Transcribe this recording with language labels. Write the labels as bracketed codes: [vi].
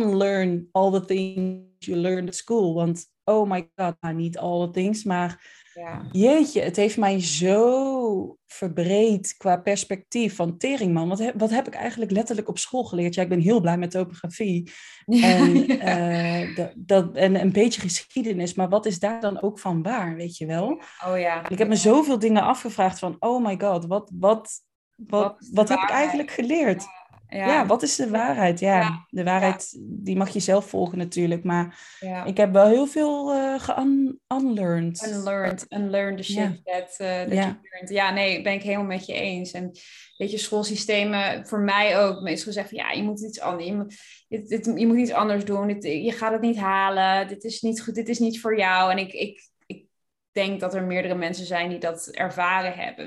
[en] Unlearn all the things you learned at school. [nl] Want, [en] oh my god, [nl] nou, niet [en] all the things, [nl] maar jeetje, het heeft mij zo verbreed qua perspectief van tering, man. Wat heb ik eigenlijk letterlijk op school geleerd? Ja, ik ben heel blij met topografie. En een beetje geschiedenis, maar wat is daar dan ook van waar, weet je wel? Oh ja. Ik heb me zoveel dingen afgevraagd van, [en] oh my god, [nl] wat heb ik eigenlijk geleerd? Ja, wat is de waarheid? Ja, de waarheid, die mag je zelf volgen natuurlijk. Maar ik heb wel heel veel unlearned. [en] Unlearned the shit that you learned. [nl] Ja, nee, ben ik helemaal met je eens. En weet je, schoolsystemen, voor mij ook, meestal gezegd van, ja, je moet iets anders. Je moet iets anders doen. Je gaat het niet halen. Dit is niet goed. Dit is niet voor jou. En ik denk dat er meerdere mensen zijn die dat ervaren hebben.